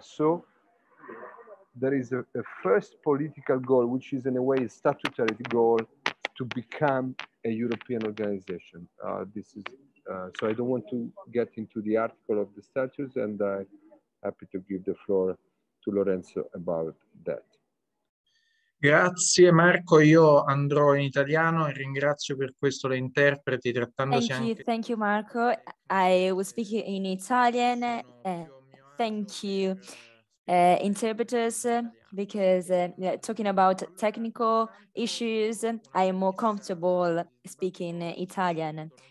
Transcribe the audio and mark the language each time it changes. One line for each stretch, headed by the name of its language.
English: So there is a first political goal, which is in a way a statutory goal to become a European organization. So I don't want to get into the article of the statutes, and I'm happy to give the floor to Lorenzo about that.
Italian: Grazie Marco, io andrò in italiano e ringrazio per questo le interpreti trattandosi anche.
English: Thank you Marco, I will speak in Italian. Thank you interpreters, because talking about technical issues, I am more comfortable speaking Italian.